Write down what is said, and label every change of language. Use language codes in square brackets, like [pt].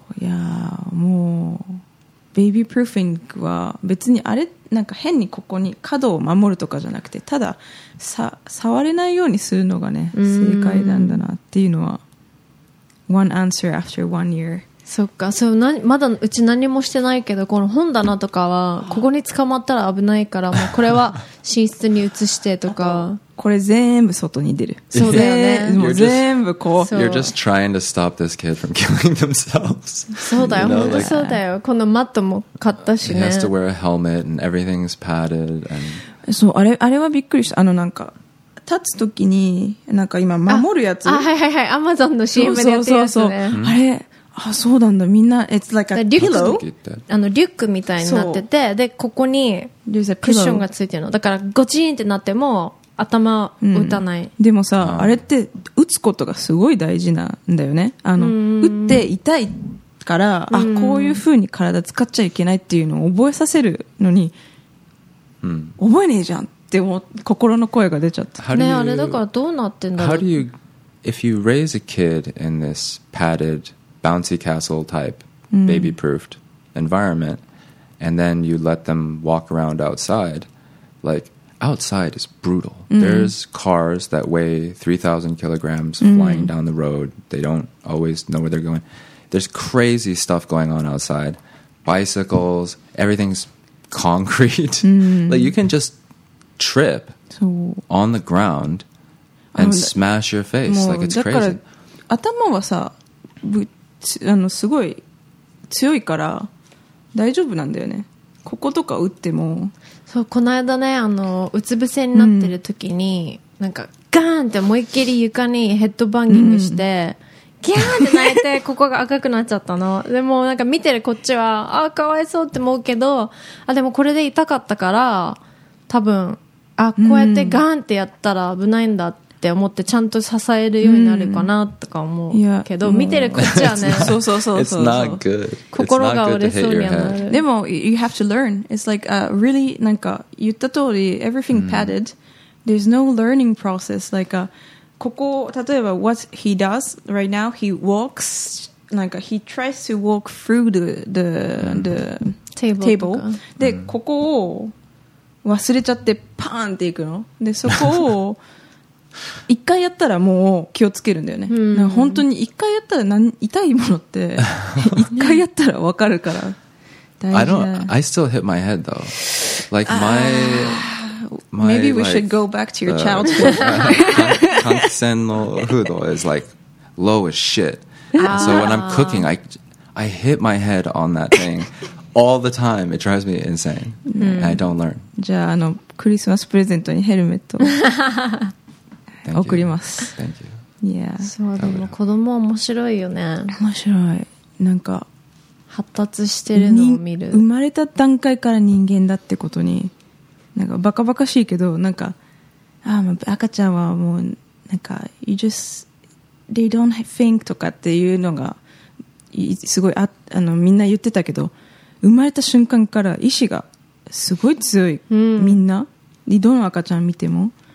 [ja] いやもうベイビープルーフィングは別にあれなんか変にここに角を守るとかじゃなくて、ただ触れないようにするのがね正解なんだなっていうのは、 [en] One answer after one year。 [ja] そっか、そう、まだうち何もしてないけど、この本棚とかはここに捕まったら危ないから、もうこれは寝室に移してとか、これ全部外に出る。そうだよね。もう全部こう。 [en] You're just trying to stop this kid from killing themselves. [ja] そうだよ。本当そうだよ。このマットも買ったしね。 [en] He has to wear a helmet and everything's padded. [ja] そう、あれはびっくりした。なんか、立つときに、なんか今守るやつ。あ、はいはいはい。Amazon の CM でやってるやつね。そうそうそう。あれ、あ、そうなんだ。みんな、 [en] it's like a pillow? [ja] リュックみたいになってて、で、ここにクッションがついてるの。だから、ゴチーンってなっても、頭を打たない、でもさ、あれって打つことがすごい大事なんだよね、打って痛いから、あ、こういう風に体使っちゃいけないっていうのを覚えさせるのに、覚えねえじゃんって思う、心の声が出ちゃった。 you, ね、あれだからどうなってんだろう。 [en] How do you, if you raise a kid in this padded bouncy castle type baby proofed environment and then you let them walk around outside, likeOutside is brutal. There's cars that weigh 3,000 kilograms flying down the road. They don't always know where they're going. There's crazy stuff going on outside. Bicycles, everything's concrete. Like you can just trip on the ground and smash your face. Like it's crazy. [ja] だから頭はさ、あのすごい強いから大丈夫なんだよね。こことか打っても。そうこの間ね、あのうつ伏せになってる時に、うん、なんかガーンって思いっきり床にヘッドバンギングして、うん、ギャーって泣いてここが赤くなっちゃったの。でもなんか見てるこっちはあーかわいそうって思うけど、あでもこれで痛かったから多分あこうやってガーンってやったら危ないんだって、うんって思ってちゃんと支えるようになるかなとか思うけど、うん、見てるこっちはね、そうそうそうそう、心が折れそうになる。でも [en] you have to learn. It's like a really [ja] なんか言った通り [en] everything padded.、うん、There's no learning process. Like a [ja] ここ例えば [en] what he does right now, he walks なんか he tries to walk through the、うん、table. [ja] で、うん、ここを忘れちゃってパーンっていくの。でそこを一回やったらもう気をつけるんだよね、うん、なんか本当に一回やったら痛いものって一回やったら分かるから大事だ。 [en] I still hit my head though. Like my maybe we should go back to your childhood. [ja] 換気扇のフード [en] is like low as shit. So when I'm cooking I hit my head on that thing all the time. It drives me insane、うん、and I don't learn. [ja] じゃあ、 あのクリスマスプレゼントにヘルメット [en] Thank you. [ja] 送ります。 [en] Thank you. Yeah. [ja] そうでも子供面白いよね。面白い。なんか発達してるのを見る。生まれた段階から人間だってことに、なんかバカバカしいけど、なんかあ赤ちゃんはもうなんか [en] you just they don't think [ja] とかっていうのがすごい あのみんな言ってたけど、生まれた瞬間から意志がすごい強い、うん、みんなでどの赤ちゃん見ても。